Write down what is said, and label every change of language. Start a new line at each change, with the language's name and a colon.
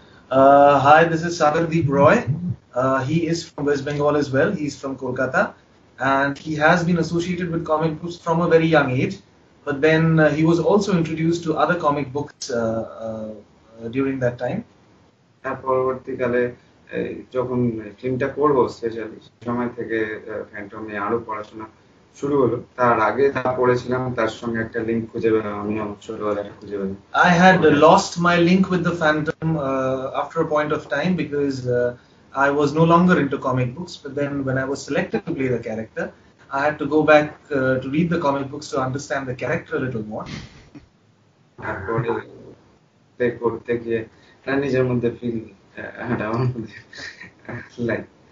English: Hi, this is Sagardeep Roy. He is from West Bengal as well. He's from Kolkata. And he has been associated with comic books from a very young age. But then he was also introduced to other comic books during that time.
Bangla: পরবর্তীকালে যখন ফিল্মটা করবো সেই সময় থেকে ফ্যান্টমে আরো পড়াশোনা শুরু হলো তার আগে যা পড়েছিলাম তার সঙ্গে একটা লিংক খুঁজে পেলাম আমি ছোটবেলায় খুঁজে পেলাম
English: I had lost my link with the Phantom after a point of time because I was no longer into comic books, but then when I was selected to play the character, I had to go back to read the comic books to understand the character a little more.
Bangla: তারপরে করতে গিয়ে নিজের মধ্যে feel like